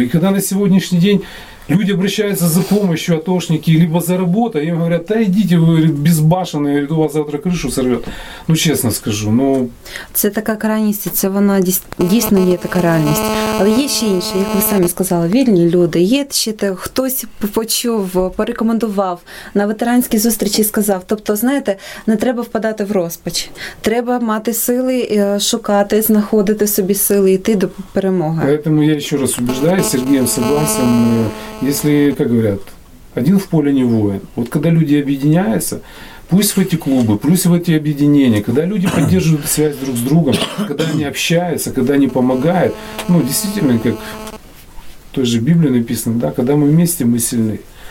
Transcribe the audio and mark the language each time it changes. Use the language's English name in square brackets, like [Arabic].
[Russian] И когда на сегодняшний день люди обращаются за помощью, атошники, либо за работу, им говорят: да идите, вы, говорит, безбашенные, говорит, у вас завтра крышу сорвет. Ну, честно скажу, ну... Это такая крайность, это она действительно есть такая реальность. Но есть еще иначе, как вы сами сказали, вольные люди. Есть еще кто-то почув, порекомендовал, на ветеранские встречи сказал. [Ukrainian] То есть, знаете, не треба впадати в розпач. Треба мати сили шукати, знаходити собі сили, йти до перемоги. [Russian] Поэтому я еще раз убеждаю Сергеем Согласен, если, как говорят, один в поле не воин. Вот когда люди объединяются, пусть в эти клубы, пусть в эти объединения, когда люди поддерживают связь друг с другом, когда они общаются, когда они помогают, ну, действительно, как в той же Библии написано, да, когда мы вместе, мы сильны.